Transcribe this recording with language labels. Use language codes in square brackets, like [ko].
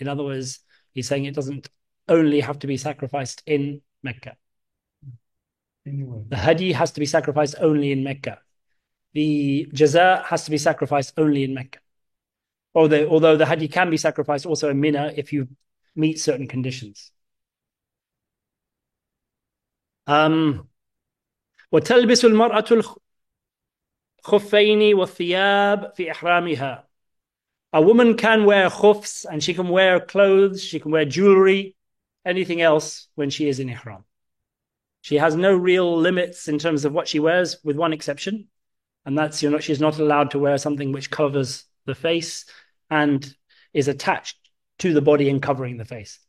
[en] In other words, he's saying it doesn't only have to be sacrificed in Mecca. Anyway. The hadi has to be sacrificed only in Mecca. The jazaa has to be sacrificed only in Mecca. Although the hadi can be sacrificed also in Mina if you meet certain conditions. [ar] وتلبس المرأة الخفين والثياب في إحرامها. [en] A woman can wear khufs, and she can wear clothes, she can wear jewelry, anything else when she is in ihram. She has no real limits in terms of what she wears, with one exception, and that's, you know, she's not allowed to wear something which covers the face and is attached to the body and covering the face.